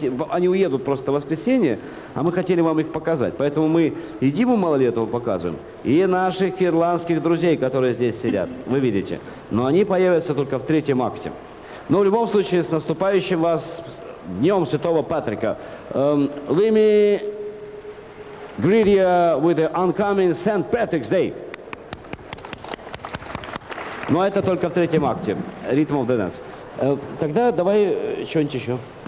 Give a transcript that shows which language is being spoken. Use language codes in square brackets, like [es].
[ru] Они уедут просто в воскресенье, а мы хотели вам их показать. Поэтому мы и Диму Малолетову показываем, и наших ирландских друзей, которые здесь сидят, вы видите. Но они появятся только в третьем акте. Но в любом случае, с наступающим вас Днем Святого Патрика. [en] Let me greet you with the oncoming St. Patrick's Day. [ru] Но это только в третьем акте. [en] Rhythm of the Dance. [ru] Тогда давай что-нибудь еще.